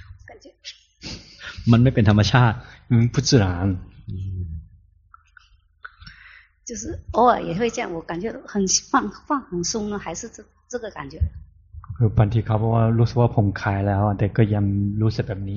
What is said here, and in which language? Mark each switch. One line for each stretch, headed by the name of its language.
Chinese: 感觉，
Thai: มันไม่เป็นธรรมชาติ，
Chinese: 嗯，不自然。就是偶尔也会这样，我感觉很放很松了，还是这个感觉。
Thai: คือบางทีเขาบอกว่ารู้สึกว่าผ่อนคลายแล้วแต่ก็ยังรู้สึกแบบนี้